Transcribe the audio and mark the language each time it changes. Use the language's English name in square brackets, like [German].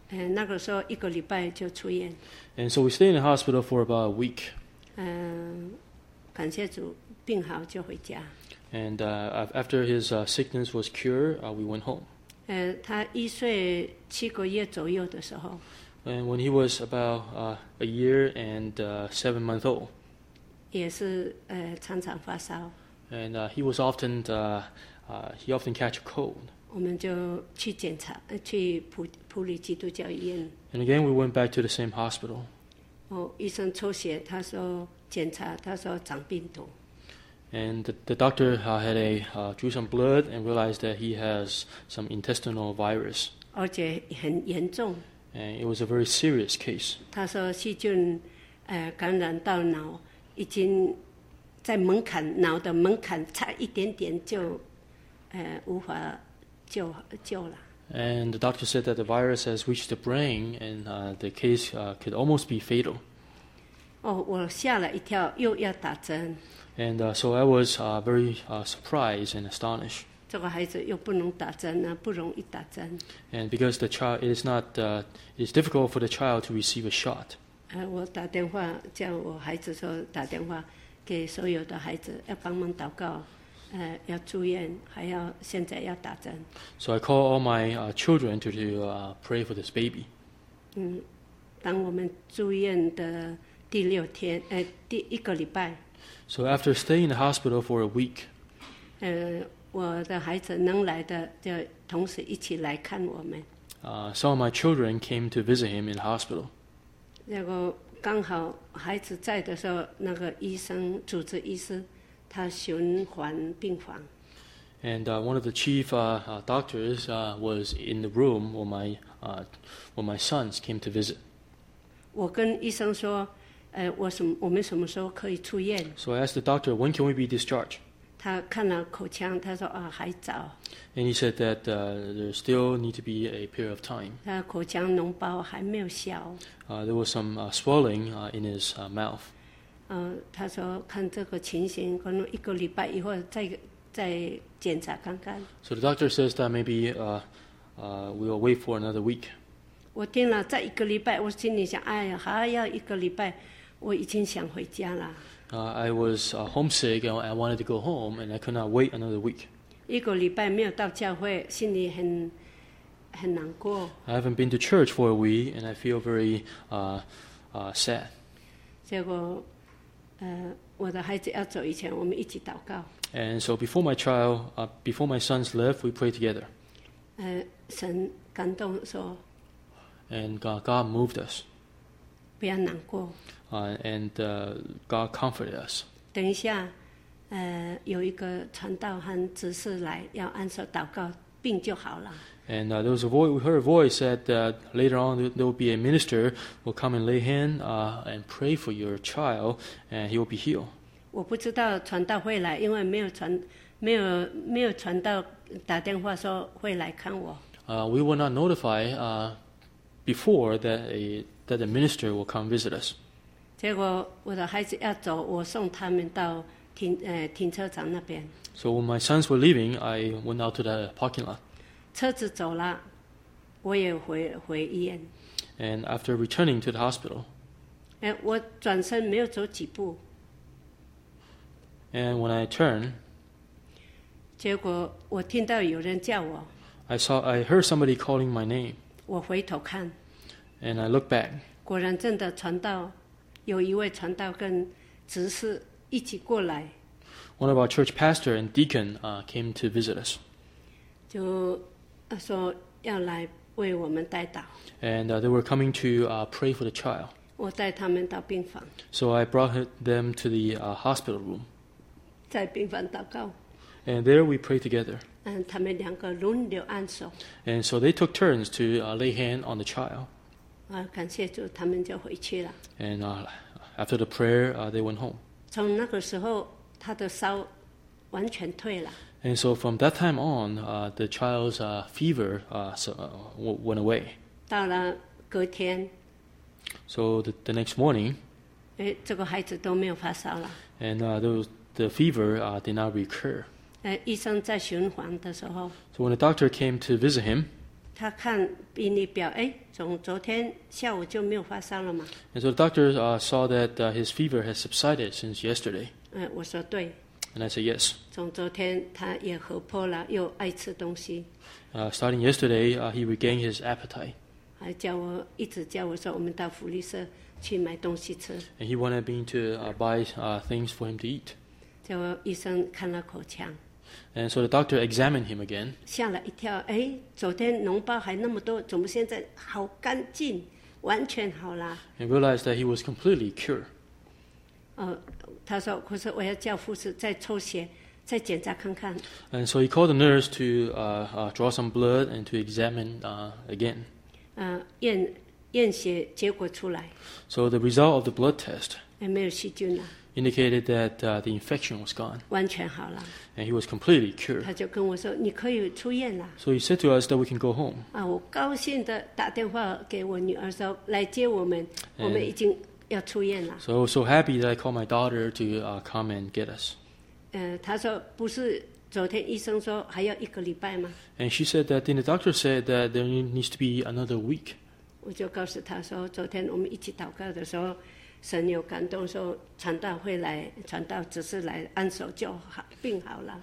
[Chinese] 那个时候一个礼拜就出院。 [English] And so we stayed in the hospital for about a week. [Chinese] 感谢主，病好就回家。 [English] And after his sickness was cured, we went home. [Chinese] 他一岁七个月左右的时候。 [English] And when he was about a year and 7 months old. [Chinese] 也是常常发烧。 [English] And he was often he often catch a cold. [Chinese] 我们就去检查，去普里基督教医院。 [English] And again, we went back to the same hospital. [Chinese] 哦，医生抽血，他说检查，他说长病毒。 [English] And the doctor had a drew some blood and realized that he has some intestinal virus. [Chinese] 而且很严重。 [English] And it was a very serious case. [Chinese] 他说细菌，感染到脑，已经在门槛脑的门槛差一点点就，无法救了。 [English] And the doctor said that the virus has reached the brain, and the case could almost be fatal. [Chinese] Oh, 我吓了一跳，又要打针。 [English] And so I was very surprised and astonished. [Chinese] 这个孩子又不能打针呢，不容易打针。 [English] And because the child, it is not, it is difficult for the child to receive a shot. [Chinese] 我打电话叫我孩子说打电话给所有的孩子要帮忙祷告。要住院，还要现在要打针。 [English] So I call all my children to pray for this baby. [Chinese] 当我们住院的第六天，第一个礼拜。 [English] So after staying in the hospital for a week. [Chinese] 我的孩子能来的就同时一起来看我们。 [English] Some of my children came to visit him in the hospital. [Chinese] 结果刚好孩子在的时候，那个医生主治医师。他巡环病房。 [English] And one of the chief doctors was in the room when my sons came to visit. [Chinese] 我跟医生说，我们什么时候可以出院 [English] ？So I asked the doctor, when can we be discharged? [Chinese] 他看了口腔，他说啊，还早。 [English] And he said that there still need to be a period of time. [Chinese] 他口腔脓包还没有消。 [English] There was some swelling in his mouth. [Chinese] 他说看这个情形，可能一个礼拜以后再检查看看。 [English] So the doctor says that maybe we'll wait for another week. [Chinese] 我听了再一个礼拜，我心里想，哎呀，还要一个礼拜，我已经想回家了。 [English] I was homesick and I wanted to go home and I could not wait another week. [Chinese] 一个礼拜没有到教会，心里很难过。 [English] I haven't been to church for a week and I feel very sad. [Chinese] 结果。我的孩子要走以前，我们一起祷告。 [English] And so before my child, before my sons left, we prayed together. [Chinese] 神感动说。 [English] And God moved us. [Chinese] 不要难过。 [English] God comforted us. [Chinese] 等一下，有一个传道和执事来，要按手祷告，病就好了。 [English] And there was a voice. We heard a voice that later on there will be a minister will come and lay hand and pray for your child, and he will be healed. [Chinese] 我不知道传道会来，因为没有传道打电话说会来看我。 [English] We were not notified before that a minister will come visit us. [Chinese] 结果我的孩子要走，我送他们到停车场那边。 [English] So when my sons were leaving, I went out to the parking lot. [Chinese] 车子走了，我也回医院。 [English] And after returning to the hospital, [Chinese] 我转身没有走几步。 [English] And when I turn, [Chinese] 结果我听到有人叫我。 [English] I heard somebody calling my name. [Chinese] 我回头看。 [English] And I look back. [Chinese] 果然真的传道，有一位传道跟执事一起过来。 [English] One of our church pastor and deacon came to visit us. [Chinese] 就他说要来为我们代祷。 [English] And they were coming to pray for the child. [Chinese] 我带他们到病房。 [English] So I brought them to the hospital room. [Chinese] 在病房祷告。 [English] And there we prayed together. [Chinese] 他们两个轮流按手。 [English] And so they took turns to lay hand on the child. [Chinese] 感谢主，他们就回去了。 [English] And after the prayer, they went home. [Chinese] 从那个时候，他的烧完全退了。 [English] And so from that time on, the child's fever went away. [Chinese] 到了隔天。 [English] So the next morning, [Chinese] 这个孩子都没有发烧了。 [English] And the fever did not recur. [Chinese] 医生在巡环的时候。 [English] So when the doctor came to visit him, [Chinese] 他看病历表，从昨天下午就没有发烧了嘛。 [English] And so the doctor saw that his fever has subsided since yesterday. [Chinese] 我说对。 [English] And I said yes. [Chinese] 从昨天他也活泼了，又爱吃东西。 [English] Starting yesterday, he regained his appetite. [Chinese] 还叫我一直叫我说，我们到福利社去买东西吃。 [English] And he wanted me to buy things for him to eat. [Chinese] 叫我医生看了口腔。 [English] And so the doctor examined him again. [Chinese] 吓了一跳，哎，昨天脓包还那么多，怎么现在好干净，完全好了 [English] ？And realized that he was completely cured. [Chinese] 他说：“可是我要叫护士再抽血，再检查看看。” [English] And so he called the nurse to draw some blood and to examine again. [Chinese] 验血结果出来。 [English] So the result of the blood test. [Chinese] 没有细菌了。 [English] Indicated that the infection was gone. [Chinese] 完全好了。 [English] And he was completely cured. [Chinese] 他就跟我说：“你可以出院了。” [English] So he said to us that we can go home. [Chinese] 我高兴的打电话给我女儿说：“来接我们，我们已经。” 要出院了。 [English] So I was so happy that I called my daughter to come and get us. [Chinese] 她说不是昨天医生说还要一个礼拜吗？ [English] And she said that then the doctor said that there needs to be another week. [Chinese] 我就告诉她说，昨天我们一起祷告的时候，神有感动说传道会来，传道只是来按手就好，病好了。